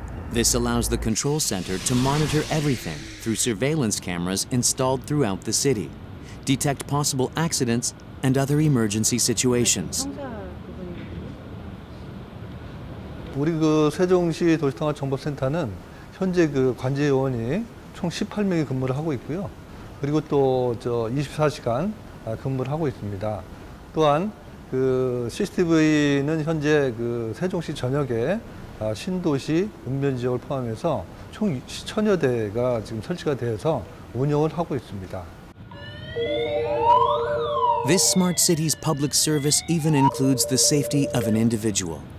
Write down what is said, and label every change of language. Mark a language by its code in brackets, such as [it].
[en] This allows the control center to monitor everything through surveillance cameras installed throughout the city, detect possible accidents, and other emergency situations. [ko] 우리 그 세종시 도시통합정보센터는 현재 그 관제 요원이 총 18명이 근무를 하고 있고요. 그리고 또 저 24시간 근무를 하고 있습니다. 또한 그 CCTV는 현재 그 세종시 전역에 신도시 읍면 지역을 포함해서 총 10여 대가 지금 설치가 되어서 운영을 하고 있습니다. [en] This smart city's public service even includes the safety of an individual.